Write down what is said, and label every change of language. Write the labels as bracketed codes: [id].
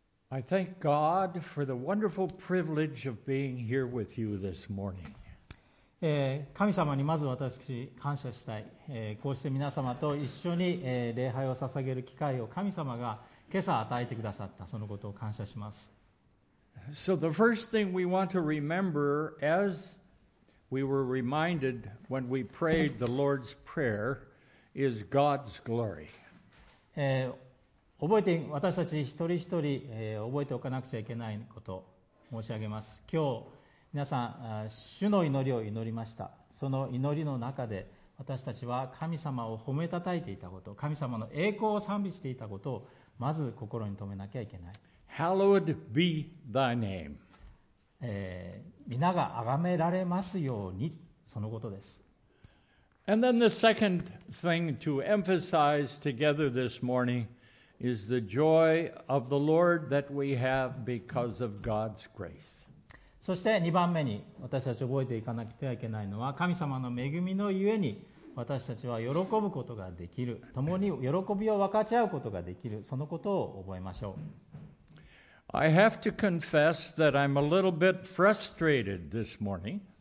[en] I thank God for the wonderful privilege of being here with you this morning. [ja] 神様にまず私感謝したい。こうして皆様と一緒に礼拝を捧げる機会を神様が今朝与えてくださった、そのことを感謝します。 [en] So the first thing we want to remember as we were reminded when we prayed the Lord's Prayer is God's glory. [ja] 覚えて私たち一人一人、覚えておかなくちゃいけないことを申し上げます。今日皆さん、主の祈りを祈りました。その祈りの中で私たちは神様を褒めたたいていたこと、神様の栄光を賛美していたことをまず心に留めなきゃいけない。 [en] Hallowed be thy name. [ja] 皆が崇められますように、そのことです。 [en] And then the second thing to emphasize together this morning. Is the joy of the Lord that we have because of God's grace. [ja] そして2番目に私たち覚えていかなくてはいけないのは神様の恵みのゆえに私たちは喜ぶことができる、共に喜びを分かち合うことができる、そのことを覚えましょう。 [en] I have to confess that I'm a little bit frustrated this morning.